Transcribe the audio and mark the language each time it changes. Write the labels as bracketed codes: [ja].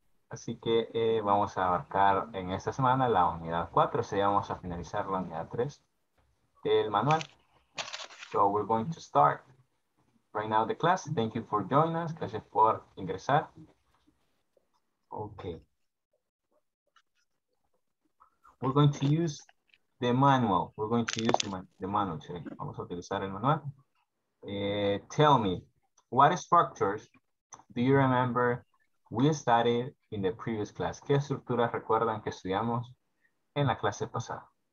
[es] Así que vamos a abarcar en esta semana la unidad 4. Así que vamos a finalizar la unidad 3 del manual. [en] So we're going to start right now the class. Thank you for joining us. [es] Gracias por ingresar. [en] Okay. We're going to use the manual. We're going to use the manual today. [es] Vamos a utilizar el manual. [en] Tell me, what structures do you remember we studied in the previous class? [es] ¿Qué estructuras recuerdan que estudiamos en la clase pasada?